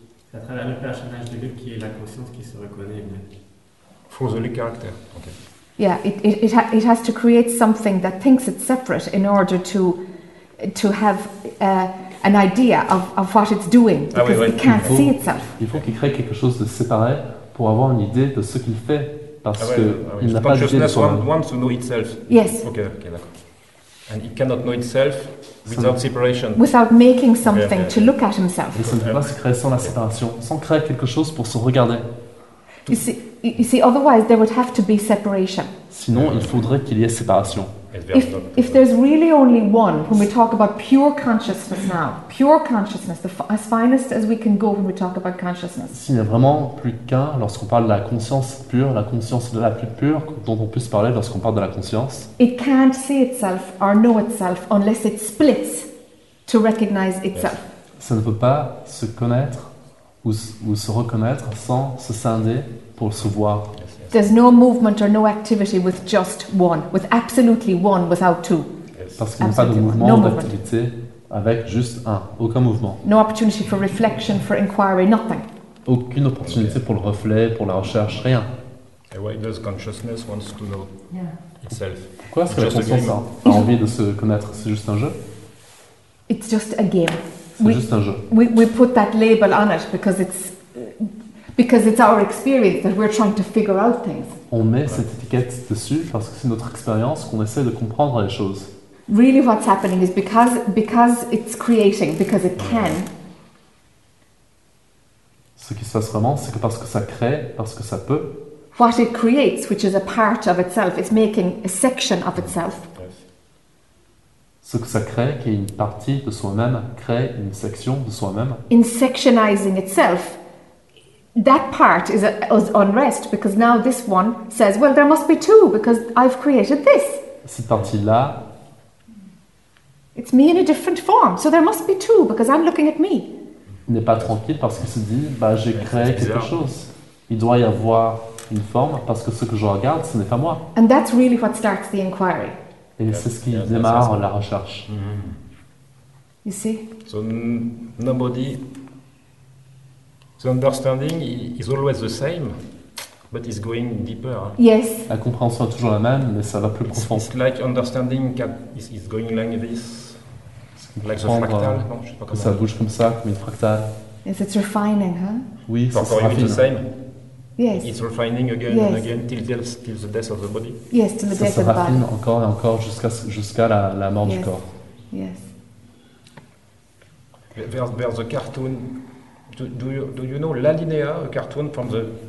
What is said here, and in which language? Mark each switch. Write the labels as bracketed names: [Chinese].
[French] C'est à travers le personnage de Luke qui est la conscience qui se reconnaît. [English] For the Luke character. Okay. Yeah, it has to create something that thinks it's separate in order to have an idea of what it's doing because it can't see itself. [French] Il faut qu'il crée quelque chose de séparé pour avoir une idée de ce qu'il fait parce qu'il n'a pas d'idée de soi. [English] Consciousness wants to know itself. Yes. Okay, [French] d'accord. [English] And it cannot know itself without separation. Without making something to look at himself. [French] Et ça ne peut pas se créer sans la séparation, sans créer quelque chose pour se regarder. [English] You see, otherwise there would have to be separation. [French] Sinon, il faudrait qu'il y ait séparation. [English] If there's really only one, when we talk about pure consciousness now, pure consciousness, as finest as we can go when we talk about consciousness. [French] S'il n'y a vraiment plus qu'un, lorsqu'on parle de la conscience pure, la conscience de la plus pure dont on peut se parler lorsqu'on parle de la conscience. [English] It can't see itself or know itself unless it splits to recognize itself. [French] Ça ne peut pas se connaître ou se reconnaître sans se scinder pour se voir. [English] There's no movement or no activity with just one, with absolutely one without two. [French] Parce qu'il n'y a pas de mouvement ou d'activité avec juste un, aucun mouvement. [English] No opportunity for reflection, for inquiry, nothing. [French] Aucune opportunité pour le reflet, pour la recherche, rien. [English] And why does consciousness want to know itself? [French] Pourquoi est-ce que la conscience a envie de se connaître? C'est juste un jeu? [English] It's just a game. [French] C'est juste un jeu. [English] We put that label on it because it's our experience that we're trying to figure out things. [French] On met cette étiquette dessus parce que c'est notre expérience qu'on essaie de comprendre les choses. [English] Really what's happening is because it's creating, because it can. [French] Ce qui se passe vraiment, c'est que parce que ça crée, parce que ça peut. [English] What it creates, which is a part of itself, it's making a section of itself. [French] Ce que ça crée, qui est une partie de soi-même, crée une section de soi-même. [English] In sectionizing itself, that part is unrest, because now this one says, well, there must be two, because I've created this. [French] Cette partie-là... [English] It's me in a different form, so there must be two, because I'm looking at me. [French] N'est pas tranquille parce qu'il se dit, bah, j'ai créé quelque chose. Il doit y avoir une forme, parce que ce que je regarde, ce n'est pas moi. [English] And that's really what starts the inquiry. Et c'est ce qui démarre la recherche. You see? So nobody... The understanding is always the same, but it's going deeper. Yes. [French] La compréhension est toujours la même, mais ça va plus profond. [English] It's like understanding is going like this, like the fractal. [French] Non, je sais pas comment. Ça bouge comme ça, comme une fractale. [English] Yes, it's refining, huh? [French] Oui, ça se raffine. [English] The same. Yes. It's refining again and again till the death of the body. Yes, till the death of the body. [French] Ça se raffine encore et encore jusqu'à la mort du corps. [English] Yes. There's a cartoon. Do you know La Linea, a cartoon from the...